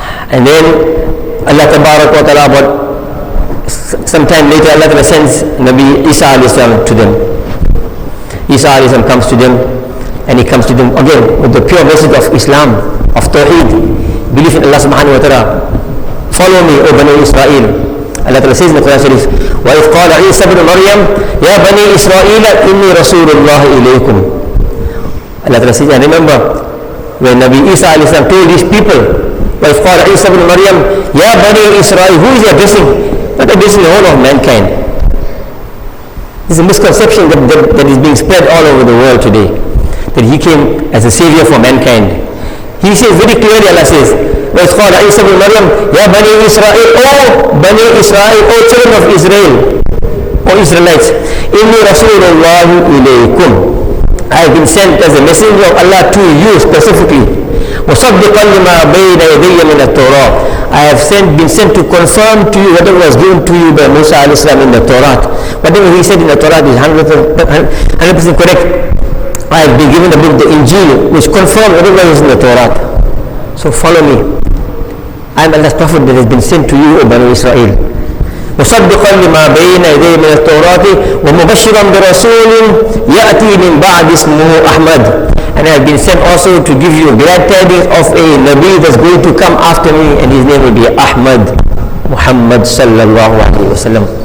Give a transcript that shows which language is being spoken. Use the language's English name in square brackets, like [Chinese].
[English] And then Allah tabarak wa ta'ala, but sometime later Allah ta'ala sends Nabi Isa alayhi salam to them. Isa alayhi salam comes to them, and he comes to them again with the pure message of Islam, of Tawheed, belief in Allah subhanahu wa ta'ala. Follow me, O Bani Israel. Allah Ta'ala says in the Quran Sharif, [Arabic] وَإِذْ قَالَ عِيسَى بْنُ مَرْيَمَ يَا بَنِي إِسْرَائِيلَ إِنِّي رَسُولُ اللَّهِ إِلَيْكُمْ. [English] Allah Ta'ala says, I remember when Nabi Isa alayhi salam told these people, [Arabic] وَإِذْ قَالَ عِيسَى بْنُ مَرْيَمَ يَا بَنِي إِسْرَائِيلَ. [English] Who is he addressing? Not addressing the whole of mankind. This is a misconception that is being spread all over the world today, that he came as a savior for mankind. He says very clearly, Allah says, [Arabic] وَإِذْ قَالَ عِيسَى بْنُ مَرْيَمَ يَا بَنِي إِسْرَائِيلَ. [English] O Bani Israel, O children of Israel, O Israelites, [Arabic] إِنِّي رَسُولُ اللَّهُ إِلَيْكُمْ. [English] I have been sent as a messenger of Allah to you specifically. [Arabic] وَصَدِّقًا لِمَا بَيْنَ يَدَيَّ مِنَ التَّوْرَاةِ. [English] I have been sent to confirm to you whatever was given to you by Musa alayhi salam in the Torah. Whatever he said in the Torah is 100% correct. I have been given the book, the Injil, which confirms whatever is in the Torah. So follow me. I am Allah's Prophet that has been sent to you, O Bani Israel. [Arabic] مصدقا لما بين يديه من التوراة ومبشرا برسول يأتي من بعد اسمه أحمد. [English] And I have been sent also to give you glad tidings of a Nabi that's going to come after me, and his name will be Ahmad, Muhammad sallallahu alayhi wa sallam.